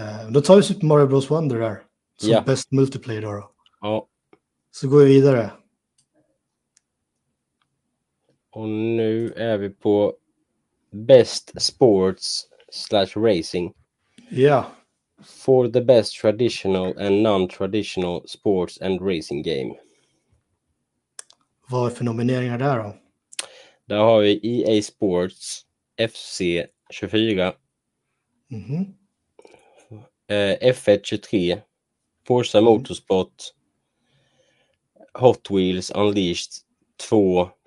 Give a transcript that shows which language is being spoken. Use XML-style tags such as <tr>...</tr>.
<sv>Då tar vi Super Mario Bros. Wonder där, som Ja. bäst multiplayer då. Ja. Så går vi vidare. Och nu är vi på</sv> <en>best sports slash racing.</en> <sv>Ja.</sv> <en>For the best traditional and non-traditional sports and racing game.</en> <sv>Vad är för nomineringar där då? Där har vi EA Sports FC 24. F1 23. Forza Motorsport. Hot Wheels Unleashed 2.</sv>